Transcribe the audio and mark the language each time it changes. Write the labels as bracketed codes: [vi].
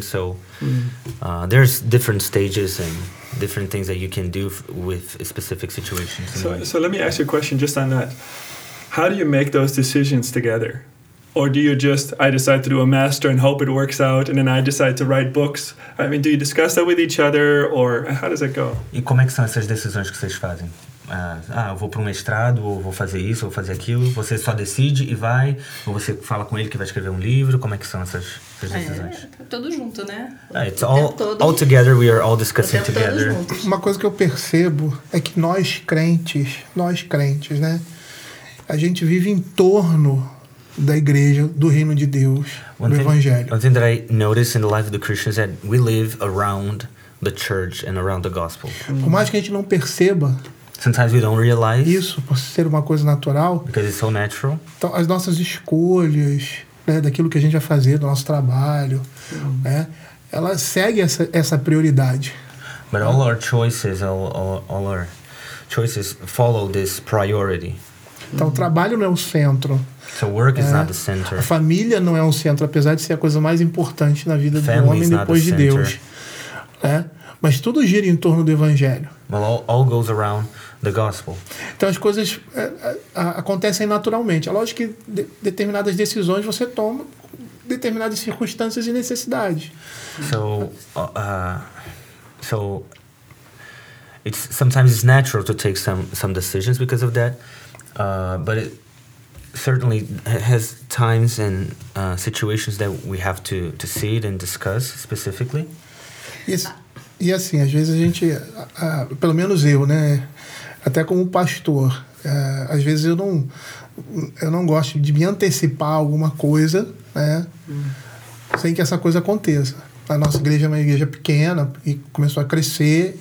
[en] So there's different stages and different things that you can do with specific situations. So let me ask you a question just on that. How do you make those decisions together? Or do you just, I decide to do a master and hope it works out, and then I decide to write books? I mean, do you discuss that with each other, or how does it go? [pt] E como é que são essas decisões que vocês fazem? Eu vou para um mestrado, ou vou fazer isso, ou vou fazer aquilo. Você só decide e vai, ou você fala com ele que vai escrever um livro. Como é que são essas decisões? Todo junto, né? [en] It's all together, we are all discussing together. [pt] Uma coisa que eu percebo é que nós crentes, né? A gente vive em torno... da igreja, do reino de Deus, do evangelho. [en] One thing that I notice in the life of the Christians is that we live around the church and around the gospel. [pt] Por mais que a gente não perceba, [en] sometimes we don't realize, [pt] isso por ser uma coisa natural, [en] because it's so natural. [pt] Então, as nossas escolhas, né, daquilo que a gente vai fazer, do nosso trabalho, né, ela segue essa prioridade. [en] But all our choices, all our choices follow this priority. [pt] Então, o trabalho não é o centro. [en] So work is not the center. [pt] A família não é um centro, apesar de ser a coisa mais importante na vida do homem depois de Deus. É? Mas tudo gira em torno do evangelho. [en] Well, all goes around the gospel. [pt] Então as coisas acontecem naturalmente. É lógico que determinadas decisões você toma determinadas circunstâncias e necessidades. [en] So it's sometimes it's natural to take some decisions because of that. But it certainly has times and situations that we have to see it and discuss specifically. [pt] E assim, às vezes a gente, pelo menos eu, né? até como pastor. Às vezes eu não gosto de me antecipar alguma coisa, né, sem que essa coisa aconteça. A nossa igreja é uma igreja pequena e começou a crescer.